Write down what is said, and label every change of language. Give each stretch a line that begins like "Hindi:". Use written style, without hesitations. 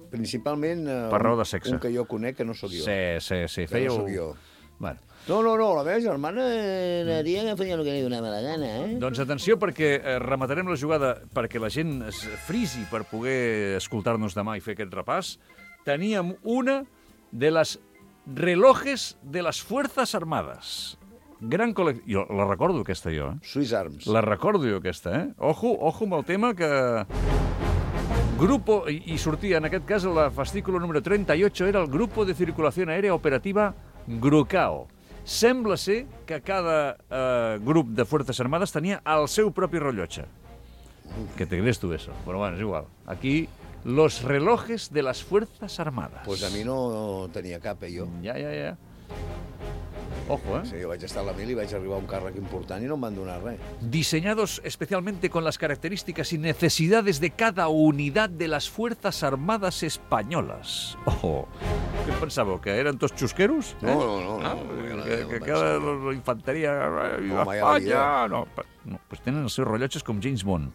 Catalan: Principalment... Per raó de sexe. Un que jo conec, que no sóc jo. Sí. Que no sóc jo. Bueno. No, la meva germana anaria que feia el que li donava la gana, Doncs atenció, perquè rematarem la jugada perquè la gent es frisi per poder escoltar-nos demà i fer aquest repàs. Teníem una de les relojes de les Fuerzas Armadas. Gran col·lecció. La recordo, aquesta, jo. Swiss Arms. La recordo, jo, aquesta, Ojo amb el tema que... Grupo, i sortia, en aquest cas, el fascículo número 38 era el Grupo de Circulació Aèria Operativa Grucao. Sembla ser que cada grup de Fuerzas Armadas tenia el seu propi rellotge. Que te crees tu eso. Però, bueno, és igual.
Spanish: Aquí, los relojes de las Fuerzas Armadas.
Catalan: Pues a mi no tenia cap, jo. Ja. Ojo, Sí, jo vaig estar a la mili i vaig arribar a un càrrec important i no em van donar res.
Spanish: Diseñados especialmente con las características y necesidades de cada unidad de las Fuerzas Armadas Españolas. Ojo.
Catalan: Què pensàveu, que eren tots xusqueros? No, infanteria... No, pues tenen els seus rellotges com James Bond.